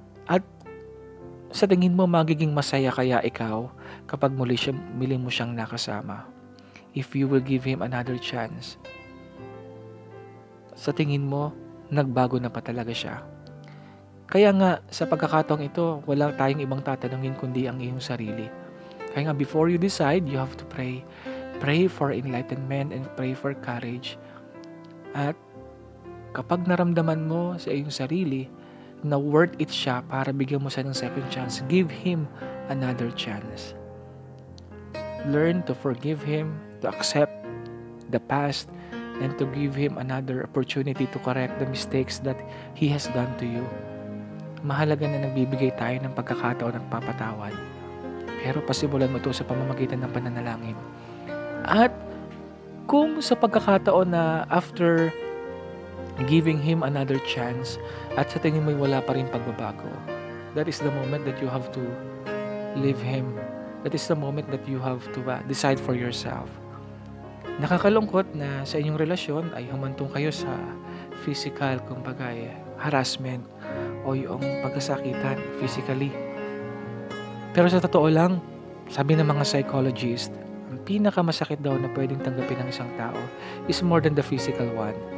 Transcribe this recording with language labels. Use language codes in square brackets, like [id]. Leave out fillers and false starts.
[tl] At sa tingin mo magiging masaya kaya ikaw kapag muli siya, mili mo siyang nakasama? [en] If you will give him another chance, [tl] sa tingin mo nagbago na pa talaga siya? Kaya nga sa pagkakataong ito, wala tayong ibang tatanungin kundi ang iyong sarili. Kaya nga [en] before you decide, you have to pray. Pray for enlightenment and pray for courage. [tl] At kapag naramdaman mo sa iyong sarili na [en] worth it siya [tl] para bigyan mo siya ng [en] second chance, give him another chance. Learn to forgive him, to accept the past, and to give him another opportunity to correct the mistakes that he has done to you. [tl] Mahalaga na nagbibigay tayo ng pagkakataon at papatawad. Pero pasimulan mo ito sa pamamagitan ng pananalangin. At kung sa pagkakataon na [en] after giving him another chance [tl] at sa tingin mo'y wala pa rin pagbabago, [en] that is the moment that you have to leave him. That is the moment that you have to decide for yourself. [tl] Nakakalungkot na sa inyong relasyon ay humantong kayo sa physical, kumbaga, harassment o yung pagkasakitan physically. Pero sa totoo lang, sabi ng mga psychologist, pinakamasakit daw na pwedeng tanggapin ng isang tao [en] is more than the physical one.